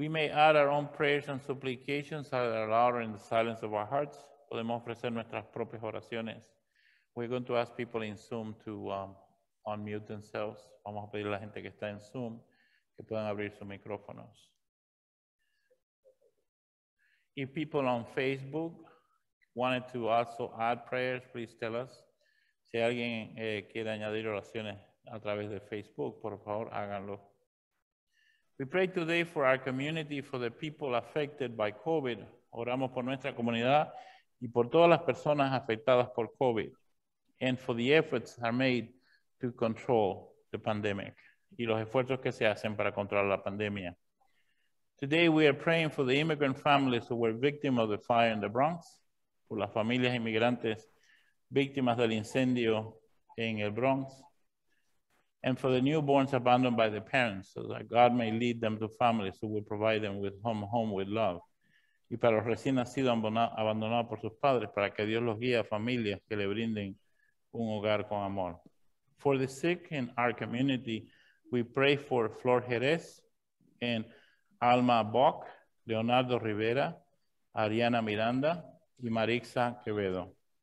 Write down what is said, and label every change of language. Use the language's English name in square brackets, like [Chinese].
[English] Add our own prayers and supplications that are loud in the silence of our hearts. [Spanish] Podemos ofrecer nuestras propias oraciones. [English] We're going to ask people in Zoom to unmute themselves. [Spanish] Vamos a pedir a la gente que está en Zoom que puedan abrir sus micrófonos. [English] If people on Facebook wanted to also add prayers, please tell us. [Spanish] Si alguien quiere añadir oraciones a través de Facebook, por favor, háganlo. [English] We pray today for our community, for the people affected by COVID. [Spanish] Oramos por nuestra comunidad y por todas las personas afectadas por COVID. [English] And for the efforts are made to control the pandemic. [Spanish] Y los esfuerzos que se hacen para controlar la pandemia. [English] Today we are praying for the immigrant families who were victims of the fire in the Bronx. [Spanish] Por las familias inmigrantes víctimas del incendio en el Bronx. [English] And for the newborns abandoned by their parents, so that God may lead them to families who will provide them with home with love. [Spanish] Y para los recién nacidos abandonados por sus padres, para que Dios los guíe a familias que le brinden un hogar con amor. [English] For the sick in our community, we pray for Flor Jerez and Alma Bock, Leonardo Rivera, Ariana Miranda, y Marixa Quevedo.